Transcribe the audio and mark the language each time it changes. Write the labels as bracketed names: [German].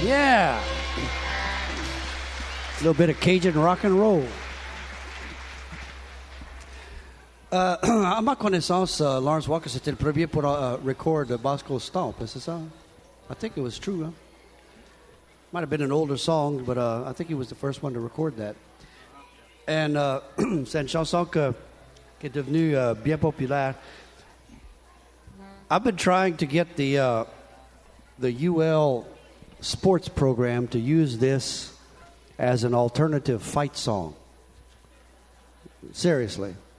[English] A little bit of Cajun rock and roll. [French] Ama connaissance, Lawrence Walker, c'était le premier pour record de Bosco Stomp, c'est ça? [English] I think it was true, huh? Might have been an older song, but I think he was the first one to record that. And [French] c'est une chanson qui est devenue bien populaire. [English] I've been trying to get the UL sports program to use this as an alternative fight song. Seriously.